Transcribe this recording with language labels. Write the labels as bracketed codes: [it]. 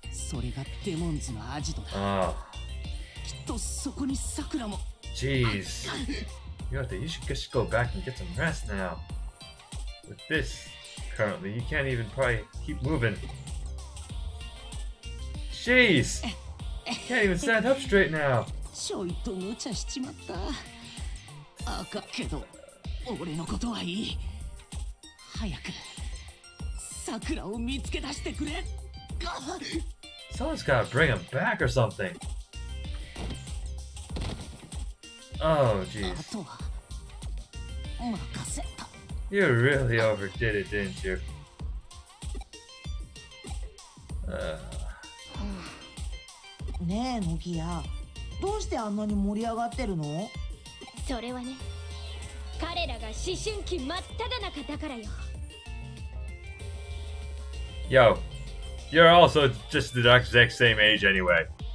[ja] それがデモンズのアジトだ。ああ。きっとそこにサクラも。 [en] Jeez. Ryota, you should just go back and get some rest now. With this, currently, you can't even probably keep moving. Jeez! Can't even stand up straight now! [ja] ちょいと無茶しちまった。あかけど、俺のことはいい。早く、サクラを見つけ出してくれ。 [en] Someone's gotta bring him back or something. Oh, jeez. You really overdid it, didn't you? [ja] ねえ、ノギア。どうしてあんなに盛り上がってるの？それはね、彼らが思春期真っ只中だからよ。 [en] Yo. You're also just the exact same age anyway.